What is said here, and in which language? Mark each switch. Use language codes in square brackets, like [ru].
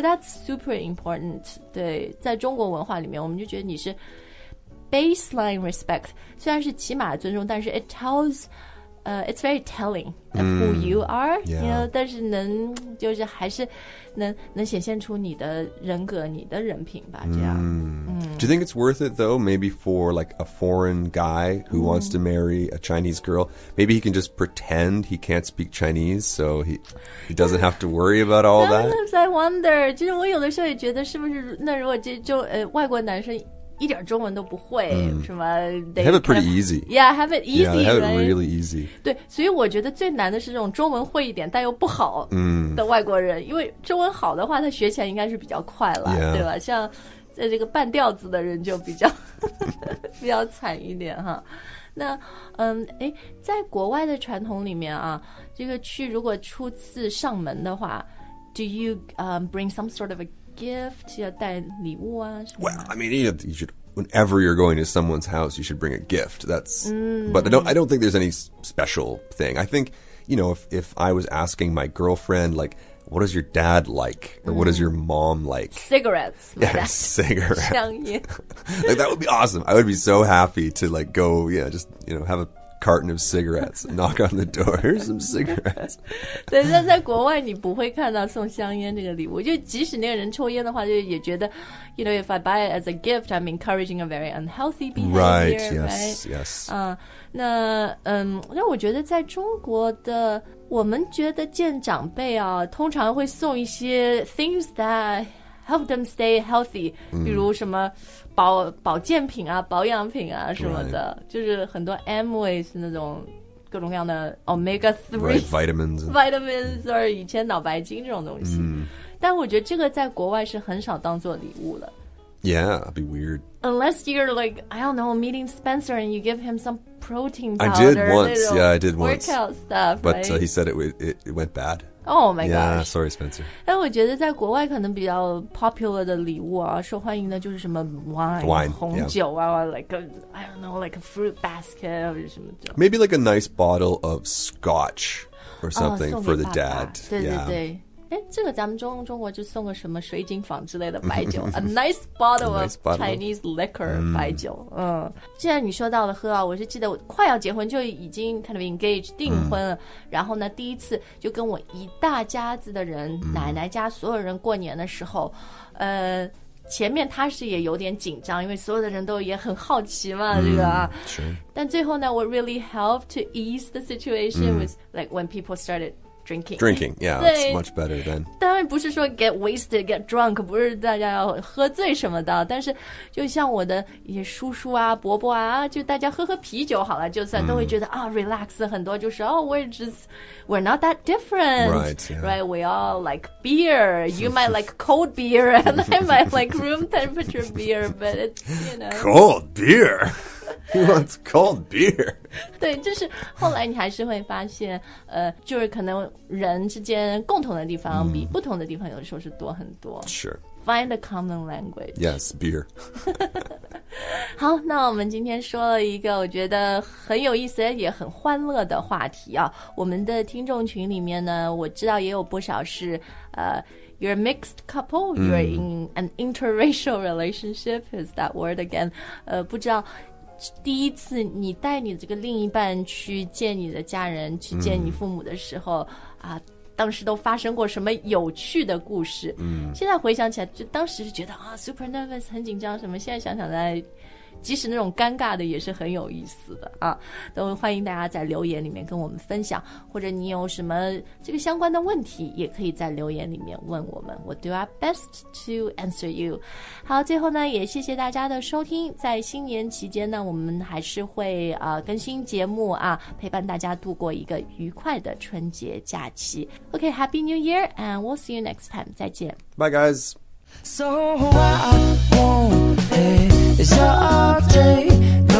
[en] but that's super important [zh] 对在中国文化里面我们就觉得你是 [en] baseline respect [zh] 虽然是起码尊重但是 [en] it tells it's very telling of、mm. who you are、 yeah. you know, [zh] 但是能就是还是能显现出你的人格你的人品吧这样、 mm. [en] Do you think it's worth it, though, maybe for, like, a foreign guy who、mm. wants to marry a Chinese girl? Maybe he can just pretend he can't speak Chinese, so he doesn't have to worry about all that? Sometimes I wonder. [zh] 其实我有的时候也觉得是不是那如果就外国男生一点中文都不会、mm. 什么 [en] They have it pretty easy. Yeah, have it easy. Yeah, they have it really easy. [zh] 对，所以我觉得最难的是这种中文会一点但又不好的外国人、mm. 因为中文好的话他学起来应该是比较快了、 [en] yeah. [zh] 对吧像在这个半吊子的人就比较惨一点哈。那在国外的传统里面啊，这个去如果初次上门的话 ， [en] Do you bring some sort of a gift？ [zh] 要带礼物啊什么 [en] ？Well, I mean, you should whenever you're going to someone's house, you should bring a gift. That's、mm. but I don't think there's any special thing. I think you know if I was asking my girlfriend like. What is your dad like? Or what is your mom like? Cigarettes. Yeah, cigarettes. [zh] 香烟 [en] like, that would be awesome. I would be so happy to like go, yeah, just, you know, have a carton of cigarettes. Knock on the door, here's some cigarettes. [zh] 对，但在国外你不会看到送香烟这个礼物，就即使那个人抽烟的话，就也觉得 [en] you know, if I buy it as a gift, I'm encouraging a very unhealthy behavior. Right, yes, right? yes. [zh] 那那我觉得在中国的我们觉得见长辈啊，通常会送一些 [en] things that help them stay healthy,、 [zh] mm. 比如什么保健品啊，保养品啊什么的、 [en] right. [zh] 就是很多 Amways 那种各种各样的 Omega 3 [en] right, Vitamins and... [zh] Vitamins or 以前脑白金这种东西、mm. 但我觉得这个在国外是很少当做礼物的 [en] Yeah, it'd be weird Unless you're like, I don't know, meeting Spencer and you give him some protein powder I did once, yeah, I did once Workout stuff, But、 right? He said it went bad Oh my yeah, gosh. Yeah, sorry, Spencer. [zh] 但我觉得在国外可能比较 popular 的礼物啊，受欢迎的就是什么 [en] wine, [zh] 红酒啊、 [en] yeah. like a, I don't know, like a fruit basket or [zh] 什么酒。 [en] Maybe like a nice bottle of scotch or something、 oh, for the dad. [zh] 爸爸对对对。哎、 [en] yeah. ， [zh] 这个咱们中国就送个什么水井坊之类的白酒， [en] a nice bottle of Chinese liquor、 [zh] mm. 白酒。嗯，既然你说到了喝啊，我是记得我快要结婚就已经 [en] kind of engaged [zh] 订婚了， mm. 然后呢，第一次就跟我一大家子的人， mm. 奶奶家所有人过年的时候，前面他是也有点紧张，因为所有的人都也很好奇嘛，这个啊。但最后呢 [en] ，what really helped to ease the situation、mm. was like when people started. Drinking, yeah, it's much better than. [zh] 当然不是说 [en] get wasted, get drunk, [zh] 不是大家要喝醉什么的，但是就像我的一些叔叔啊、伯伯啊，就大家喝喝啤酒好了，就算都会觉得啊、mm. [en] oh, relax [zh] 很多，就是哦、 [en] oh, we're not that different, right?、Yeah. Right, we all like beer. You might like cold beer, and I might like room temperature beer, but it's you know cold beer. He wants cold beer. [zh] 对，就是后来你还是会发现，就是可能人之间共同的地方比不同的地方有的时候是多很多。 [en] Sure. Find a common language. Yes, beer. [zh] 好，那我们今天说了一个我觉得很有意思也很欢乐的话题啊。我们的听众群里面呢，我知道也有不少是 [en] You're a mixed couple, you're in an interracial relationship, is that word again? [zh] 不知道第一次你带你这个另一半去见你的家人去见你父母的时候、mm. 啊，当时都发生过什么有趣的故事、mm. 现在回想起来就当时是觉得啊 [en] super nervous [zh] 很紧张什么现在想想在即使那种尴尬的也是很有意思的啊，都欢迎大家在留言里面跟我们分享或者你有什么这个相关的问题也可以在留言里面问我们 [en] We'll do our best to answer you [zh] 好最后呢也谢谢大家的收听在新年期间呢我们还是会、更新节目啊，陪伴大家度过一个愉快的春节假期 [en] OK Happy New Year and we'll see you next time [zh] 再见 [en] Bye guys So why won't they? It's your day.